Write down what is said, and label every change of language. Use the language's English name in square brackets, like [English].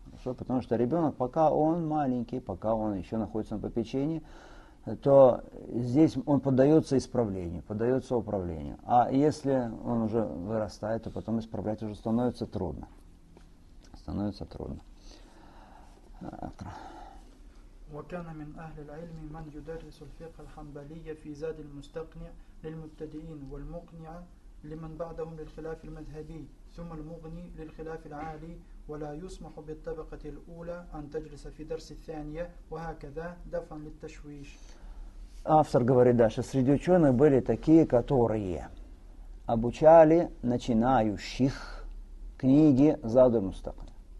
[Russian] Потому что ребенок, пока он маленький, пока он еще находится на попечении, то здесь он поддается исправлению, поддается управлению. А если он уже вырастает, то потом исправлять уже становится трудно. Становится трудно. [Arabic] وكان من أهل العلم من يدرس الفقه الحنبلي في زاد المستقنع للمبتدئين والمقنع لمن بعدهم للخلاف المذهبي ثم المغني للخلاف العالي ولا يسمح بالطبقة الأولى أن تجلس في درس الثانية وهكذا دفعا للتشويش. [Russian] Автор говорит дальше, среди ученых были такие, которые обучали начинающих книги Задаль-Мустакни.